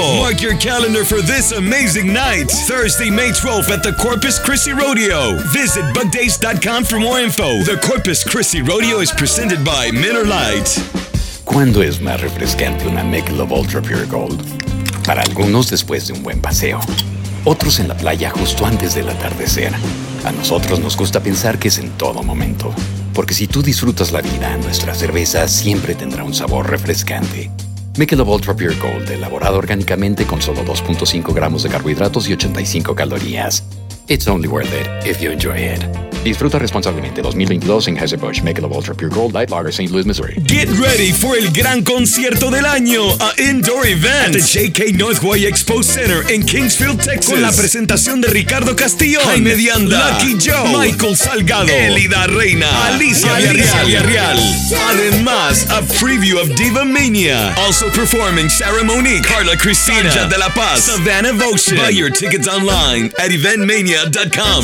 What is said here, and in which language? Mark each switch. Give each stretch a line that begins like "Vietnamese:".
English: Mark your calendar for this amazing night, Thursday, May 12th at the Corpus Christi Rodeo. Visit bugdays.com for more info. The Corpus Christi Rodeo is presented by Miller Lite.
Spanish: ¿Cuándo es más refrescante una Michelob Ultra Pure Gold? Para algunos después de un buen paseo. Otros en la playa justo antes del atardecer. A nosotros nos gusta pensar que es en todo momento. Porque si tú disfrutas la vida, nuestra cerveza siempre tendrá un sabor refrescante. Michelob Ultra Pure Gold, elaborado orgánicamente con solo 2.5 gramos de carbohidratos y 85 calorías.
English: It's only worth it if you enjoy it.
Spanish: Disfruta responsablemente 2022 en Anheuser-Busch Michelob Ultra Pure Gold Light Lager, St. Louis, Missouri.
English: Get ready for
Spanish: el gran concierto del año,
English: an indoor event at the J.K.
Spanish: Northway Expo Center in Kingsfield, Texas. Con la presentación de Ricardo Castillo, Jaime de Anda, Lucky Joe, Michael Salgado, Elida Reina, Alicia Villarreal. Además,
English: a preview of Diva Mania. Also performing Sarah Monique, Carla Cristina, Sanja de la Paz, Savannah Voce. Buy your tickets online at eventmania.com.